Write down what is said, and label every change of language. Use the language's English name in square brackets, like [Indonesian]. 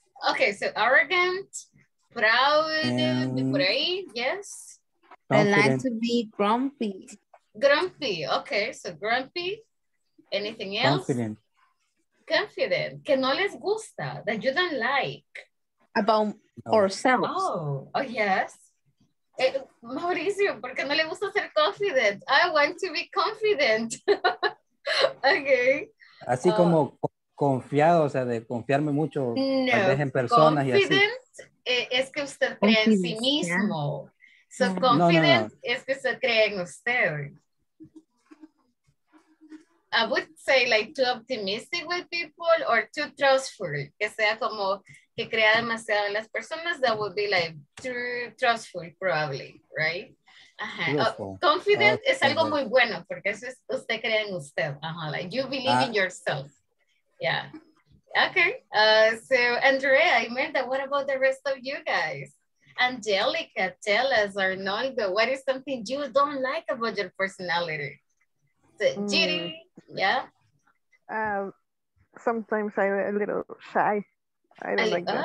[English] Okay, so arrogant, proud, brave, yes. Confident. I like to be grumpy. Grumpy, okay, so grumpy. Anything else? Confident. Confident. [Spanish] Que no les gusta, [English] that you don't like. About ourselves. Oh, yes. [Spanish] Mauricio, ¿por qué no le gusta ser confident? [English] I want to be confident. Okay. [Spanish] Así como confiado, o sea, de confiarme mucho en personas [English] confident [Spanish] y así. Es que usted cree en sí mismo. So confident es que usted cree en usted. [English] I would say like too optimistic with people or too trustful. [Spanish] Que sea como que crea demasiado en las personas, [English] that would be like too trustful probably, right? Uh-huh. [Spanish] Confident es algo muy bueno porque eso es usted cree en usted. [English] Uh-huh. Like you believe in yourself. Yeah. Okay. So Andrea, Imelda, what about the rest of you guys? Angelica, tell us, Arnoldo, what is something you don't like about your personality? So, Giri, Sometimes I'm a little shy. I don't like that.